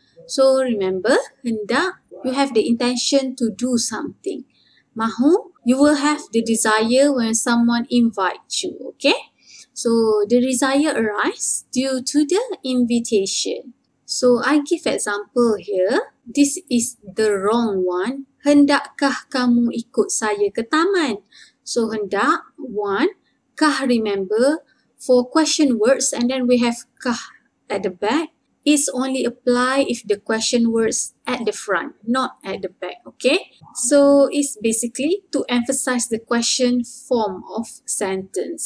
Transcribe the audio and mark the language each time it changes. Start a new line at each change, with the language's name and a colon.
English: So, remember, hendak, you have the intention to do something. Mahu, you will have the desire when someone invites you, okay? So, the desire arises due to the invitation. So, I give example here. This is the wrong one.
Malay: Hendakkah kamu ikut saya ke taman?
English: So, hendak, one. Kah, remember, for question words, and then we have kah at the back. It's only apply if the question words at the front, not at the back, okay? So, it's basically to emphasize the question form of sentence.